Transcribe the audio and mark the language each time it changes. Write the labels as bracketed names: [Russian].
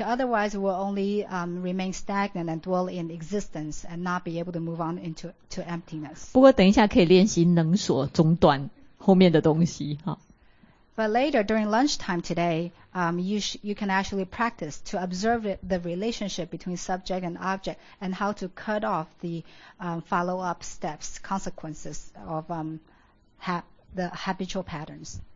[English] Otherwise, we'll only remain stagnant and dwell in existence and not be able to move on into emptiness. [Chinese] 不过等一下可以练习能所中断后面的东西。 [English] But later, during lunchtime today, you can actually practice to observe the relationship between subject and object and how to cut off the follow-up steps, consequences of the habitual patterns.